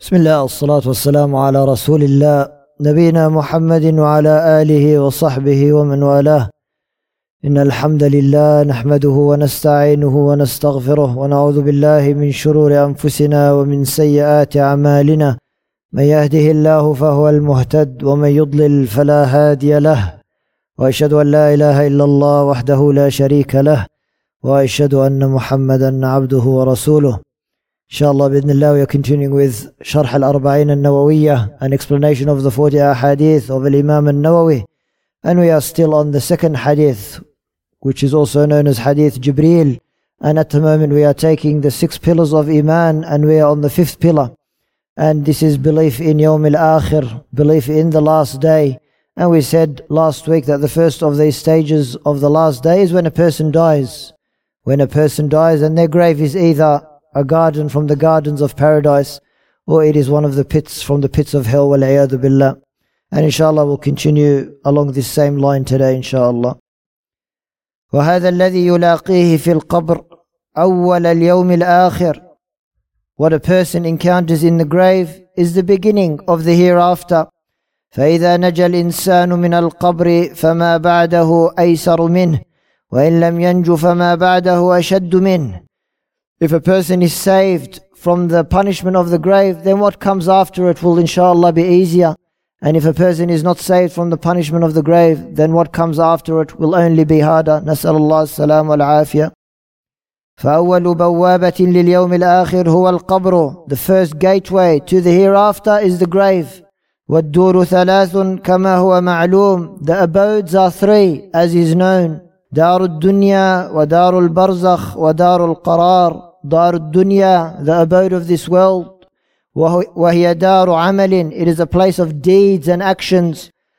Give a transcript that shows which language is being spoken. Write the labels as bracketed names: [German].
[Arabic] بسم الله الصلاة والسلام على رسول الله نبينا محمد وعلى آله وصحبه ومن والاه إن الحمد لله نحمده ونستعينه ونستغفره ونعوذ بالله من شرور أنفسنا ومن سيئات أعمالنا من يهده الله فهو المهتد ومن يضلل فلا هادي له وأشهد أن لا إله إلا الله وحده لا شريك له وأشهد أن محمدا عبده ورسوله [English] Inshallah, bismillah, we are continuing with Sharh al-Arba'in al-Nawawiyyah, an explanation of the 40 hadith of al-Imam al-Nawawi. And we are still on the second hadith, which is also known as Hadith Jibreel. And at the moment we are taking the six pillars of Iman, and we are on the fifth pillar. And this is belief in Yawm al-Akhir, belief in the last day. And we said last week that the first of these stages of the last day is when a person dies. When a person dies and their grave is either a garden from the gardens of paradise, or it is one of the pits from the pits of hell, wal-iyadu billah. And inshallah we'll continue along this same line today, inshallah. [Arabic] وهذا الذي يلاقيه في القبر أول اليوم الآخر. [English] What a person encounters in the grave is the beginning of the hereafter. [Arabic] فإذا نجى الإنسان من القبر فما بعده أيسر منه وإن لم ينجو فما بعده أشد منه. [English] If a person is saved from the punishment of the grave, then what comes after it will inshallah be easier. And if a person is not saved from the punishment of the grave, then what comes after it will only be harder. [Arabic] نسأل الله السلام والعافية. فأول بوابة لليوم الآخر هو القبر. [English] The first gateway to the hereafter is the grave. [Arabic] والدور ثلاث كما هو معلوم. [English] The abodes are three, as is known. [Arabic] دار الدنيا ودار البرزخ ودار القرار. [English] دار الدنيا, the abode of this world. [Arabic] وهي دار عمل, [English] it is a place of deeds and actions.